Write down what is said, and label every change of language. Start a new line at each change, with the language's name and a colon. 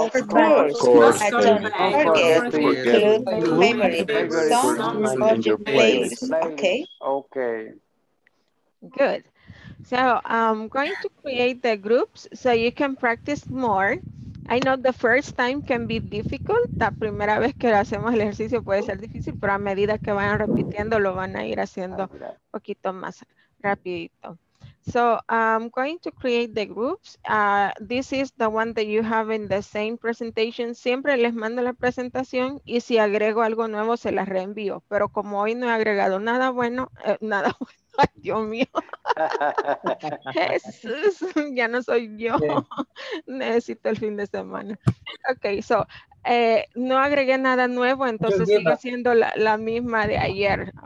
English: Okay. Good. So I'm going to create the groups so you can practice more. I know the first time can be difficult.
Spanish: La primera vez que hacemos el ejercicio puede ser difícil, pero a medida que vayan repitiendo lo van a ir haciendo un poquito más rapidito.
English: So I'm going to create the groups. This is the one that you have in the same presentation.
Spanish: Siempre les mando la presentación y si agrego algo nuevo se las reenvío. Pero como hoy no he agregado nada bueno, ay, Dios mío. Jesús, ya no soy yo. Necesito el fin de semana. Okay, so no agregué nada nuevo, entonces sigue siendo la misma de ayer.